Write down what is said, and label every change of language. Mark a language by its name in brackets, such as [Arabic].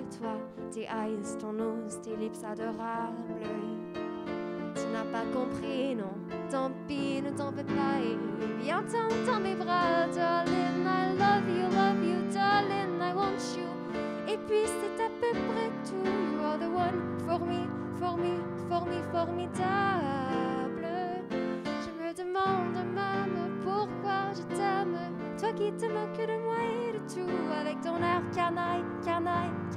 [French] Toi, tes eyes, ton nose, tes lips adorables. Tu n'as pas compris, non, tant pis, ne t'en fais pas. Et viens-t'en dans mes bras, darling. [English] I love you, darling, I want you. [French] Et puis c'est à peu près tout. [English] You are the one for me, for me, for me, formidable. [French] Je me demande même pourquoi je t'aime, toi qui te moques de moi et de tout, avec ton air canaille, canaille,